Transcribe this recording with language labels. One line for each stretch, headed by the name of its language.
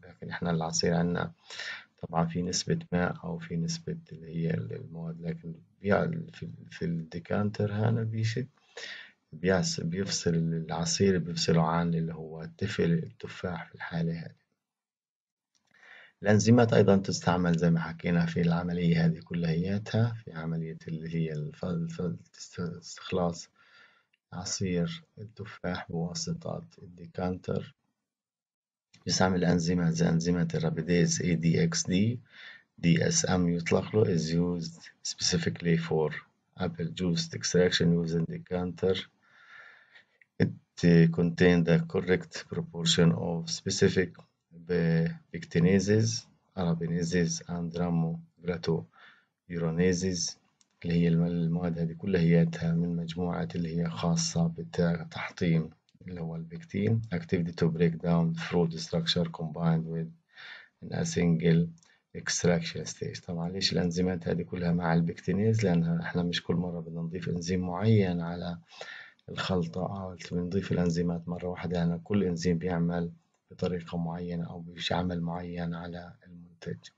Arabic: لكن احنا العصير عندنا طبعا في نسبة ماء او في نسبة اللي هي المواد، لكن في الديكانتر هنا بيشد بيفصل العصير، بيفصله عن اللي هو تفل التفاح في الحالة هذه. الأنزيمات أيضا تستعمل زي ما حكينا في العملية هذه كلياتها، في عملية اللي هي استخلاص عصير التفاح بواسطة الديكانتر. يستعمل الأنزيمات زي أنزيمات الرابيديز ADXD DSM يطلق له،
English: is used specifically for apple juice extraction using decanter. contain the correct proportion of specific pectinases, arabinases and rhamnogranulases
Arabic: اللي هي المواد هذه كلياتها من مجموعة اللي هي خاصة بتحطيم اللي هو البكتين.
English: activity to break down fruit structure combined with a single extraction stage.
Arabic: طبعا ليش الانزيمات هذه كلها مع البكتينيز؟ لان احنا مش كل مرة بنضيف انزيم معين على الخلطة، عملت بنضيف الأنزيمات مرة واحدة، لأن كل إنزيم بيعمل بطريقة معينة أو بيش عمل معين على المنتج.